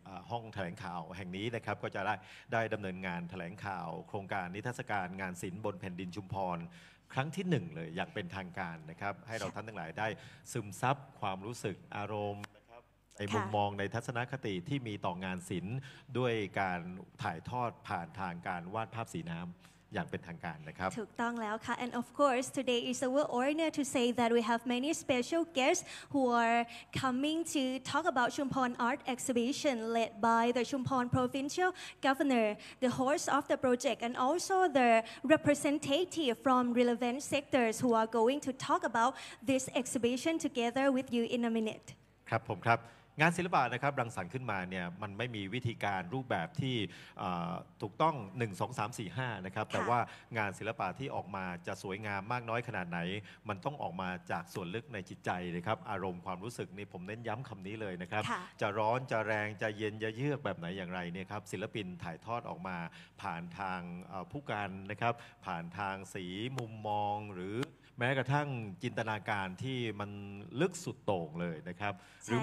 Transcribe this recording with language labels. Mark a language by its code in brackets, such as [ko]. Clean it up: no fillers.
[th] ห้องแถลงข่าวแห่งนี้นะครับก็จะได้ดำเนินงานแถลงข่าวโครงการนิทรรศการงานศิลป์บนแผ่นดินชุมพรครั้งที่หนึ่งเลยอย่างเป็นทางการนะครับให้เราท่านทั้งหลายได้ซึมซับความรู้สึกอารมณ์ในมุมมองในทัศนคติที่มีต่องานศิลป์ด้วยการถ่ายทอดผ่านทางการวาดภาพสีน้ำอย่างเป็นทางการนะครับ ถูกต้องแล้วค่ะ [en] and of course today is our honor to say that we have many special guests who are coming to talk about Chumphon Art Exhibition led by the Chumphon Provincial Governor the host of the project and also the representative from relevant sectors who are going to talk about this exhibition together with you in a minute [th] ครับผมครับ งานศิลปะนะครับรังสรรค์ขึ้นมาเนี่ยมันไม่มีวิธีการรูปแบบที่ถูกต้อง1 2 3 4 5นะครับแต่ว่างานศิลปะที่ออกมาจะสวยงามมากน้อยขนาดไหนมันต้องออกมาจากส่วนลึกในจิตใจนะครับอารมณ์ความรู้สึกนี่ผมเน้นย้ำคำนี้เลยนะครับจะร้อนจะแรงจะเย็นจะเยือกแบบไหนอย่างไรเนี่ยครับศิลปินถ่ายทอดออกมาผ่านทางผู้การนะครับผ่านทางสีมุมมองหรือแม้กระทั่งจินตนาการที่มันลึกสุดโต่งเลยนะครับหร